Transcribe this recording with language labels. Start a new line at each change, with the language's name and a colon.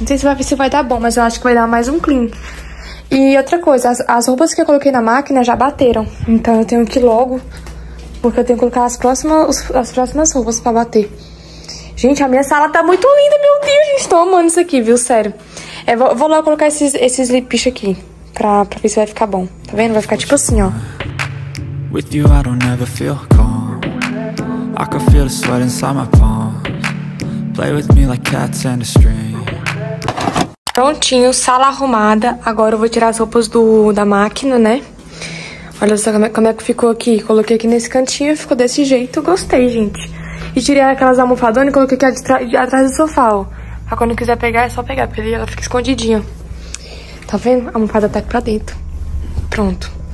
Portuguese: Não sei se vai ver se vai dar bom, mas eu acho que vai dar mais um clean. E outra coisa, as roupas que eu coloquei na máquina já bateram. Então eu tenho que ir logo... Porque eu tenho que colocar as próximas roupas pra bater. Gente, a minha sala tá muito linda, meu Deus. Gente, tô amando isso aqui, viu? Sério. É, vou lá colocar esses lipish aqui. Pra ver se vai ficar bom. Tá vendo? Vai ficar tipo assim, ó.
English: With you, I don't ever feel calm. I can feel the sweat inside my palms. Play with me like cats and a string.
Portuguese: Prontinho, sala arrumada. Agora eu vou tirar as roupas da máquina, né? Olha só como é que ficou aqui. Coloquei aqui nesse cantinho e ficou desse jeito. Gostei, gente. E tirei aquelas almofadonas e coloquei aqui atrás do sofá, ó. Pra quando quiser pegar, é só pegar, porque ela fica escondidinha. Tá vendo? A almofada tá aqui pra dentro. Pronto.